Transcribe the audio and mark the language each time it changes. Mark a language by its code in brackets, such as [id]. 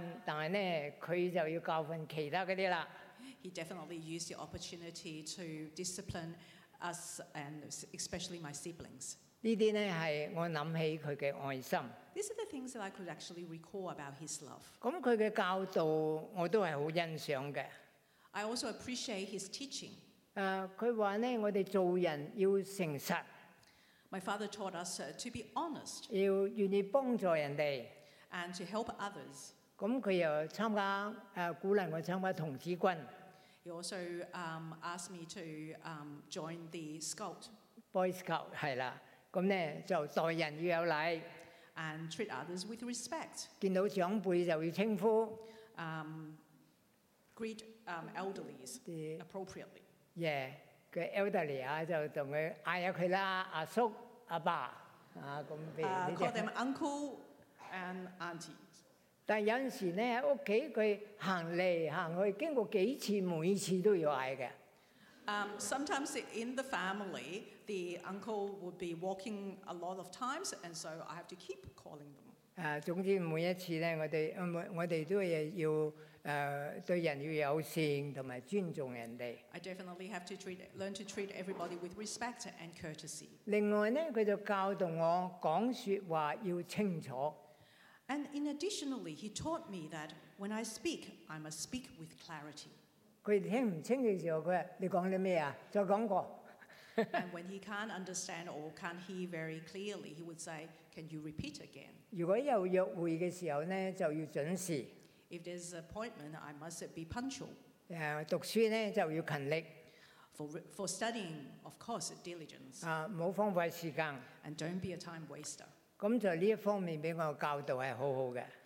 [yue] 我呢就冇受咁多嘅教訓，但係呢，佢就要教訓其他嗰啲啦。 [en] He definitely used the opportunity to discipline us and especially my siblings. [yue] 呢啲呢係我諗起佢嘅愛心。 [en] These are the things that I could actually recall about his love. [yue] 咁佢嘅教導我都係好欣賞嘅。 [en] I also appreciate his teaching. [yue] 他說呢，我們做人要誠實。 [en] My father taught us to be honest. [yue] 要願意幫助人哋。 [en] And to help others. [yue] 他又參加, 鼓勵我參加童子軍。 [en] He also asked me to join the scout. [yue] Boy Scout, 是啦。那呢，就待人要有禮。 [en] And treat others with respect. [yue] 見到長輩就要稱呼。 [en] Greet elderlies appropriately. Yeah, the elderly, just to call them, "Hello, Uncle, Grandpa." Call them uncle and aunties. But sometimes, at home, he walks in, walks out, passes by many times, and every time he says hello. Sometimes in the family, the uncle would be walking a lot of times, and so I have to keep calling them. [yue] 總之每一次咧，我哋都要。對人要友善同埋尊重人哋。 [en] I definitely have to learn to treat everybody with respect and courtesy. [yue] 另外呢，佢就教導我講説話要清楚。 [en] And additionally, he taught me that when I speak, I must speak with clarity. [yue] 佢聽唔清嘅時候，佢話：你講啲咩啊？再講過。 [en] And when he can't understand or can't hear very clearly, he would say, "Can you repeat again?" [yue] 如果有約會嘅時候呢，就要準時。 [en] If there's an appointment, I must be punctual. [yue] 讀書呢，就要勤力。 [en] For studying, of course, diligence. [yue] 唔好荒廢時間。 [en] And don't be a time waster. [yue] 咁就呢一方面俾我教導係好好嘅。